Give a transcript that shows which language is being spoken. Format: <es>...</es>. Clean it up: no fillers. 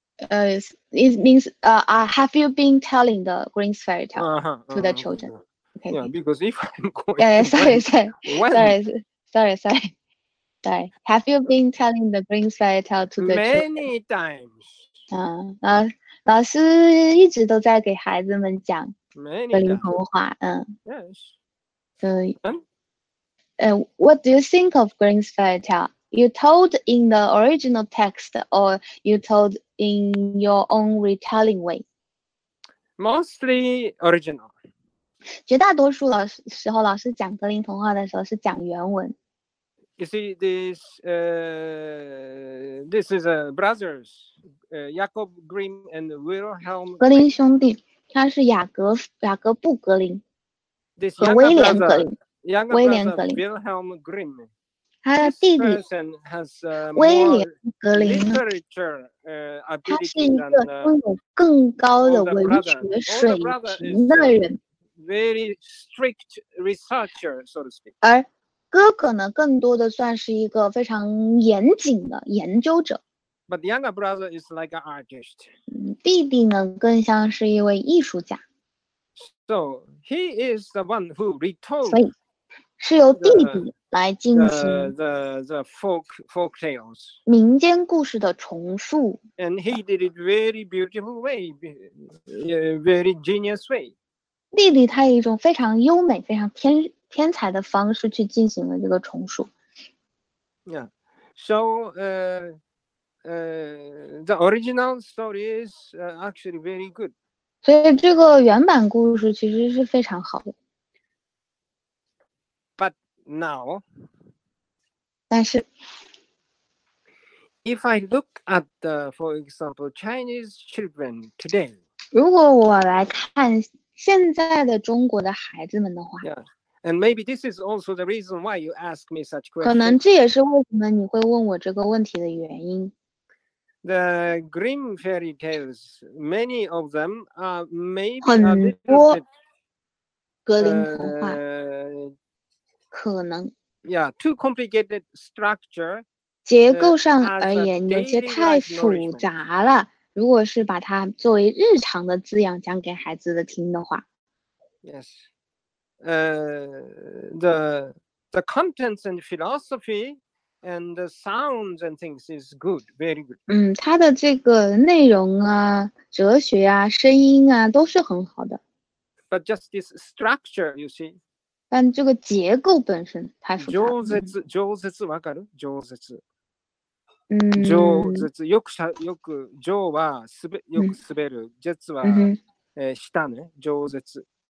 <en>It means, have you been telling the Grimm's fairy tale to the children? Okay. Yeah, because if I'm going Sorry. Have you been telling the Grimm's fairy tale to the many children? Times?</en> <zh>老师一直都在给孩子们讲格林童话。</zh> <en>Yes. So, what do you think of Grimm's fairy tale? You told in the original text, or you told in your own retelling way? Mostly original.</en> <zh>绝大多数老师时候，老师讲格林童话的时候是讲原文。</zh> <en>You see, this is a brothers, Jakob Grimm and Wilhelm.</en> <zh>格林兄弟，他是雅各布·格林和威廉·格林。威廉·格林。</zh> <en>Wilhelm Grimm.</en> <zh>他的弟弟。威廉·格林。他是一个拥有更高的文学水平的人。</zh> <en>Very strict researcher, so to speak.</en> <zh>而哥哥呢，更多的算是一个非常严谨的研究者。</zh> <en>But the younger brother is like an artist.</en> <zh>弟弟呢，更像是一位艺术家。</zh> <en>So he is the one who retold.</en> <zh>所以，是由弟弟来进行</zh> <en>the folk tales.</en> <zh>民间故事的重述。</zh> <en>And he did it very beautiful way, very genius way.</en> <zh>弟弟他有一种非常优美、非常天才的方式去进行了这个重述。</zh> <en>Yeah, so the original story is actually very good.</en> <zh>所以这个原版故事其实是非常好的。</zh> <en>But now,</en> <zh>但是</zh> <en>if I look at the, for example, Chinese children today,</en> <zh>如果我来看现在的中国的孩子们的话。</zh> <en>Yeah. And maybe this is also the reason why you ask me such questions.</en> <zh>可能这也是为什么你会问我这个问题的原因。</zh> <en>The Grimm fairy tales, many of them are maybe a bit.</en> <zh>很多格林童话可能。</zh> <en>Yeah, too complicated structure.</en> <zh>结构上而言，有些太复杂了。如果是把它作为日常的滋养讲给孩子的听的话。</zh> <en>Yes. The contents and philosophy and the sounds and things is good, very good.</en> <zh>它的这个内容啊，哲学啊，声音啊，都是很好的。</zh> <en>But just this structure, you see.</en> <zh>但这个结构本身太复杂。</zh> <ja>饒舌わかる？饒舌。饒舌よくしゃよく饒はすべよく滑る、舌は下ね、饒舌。</ja>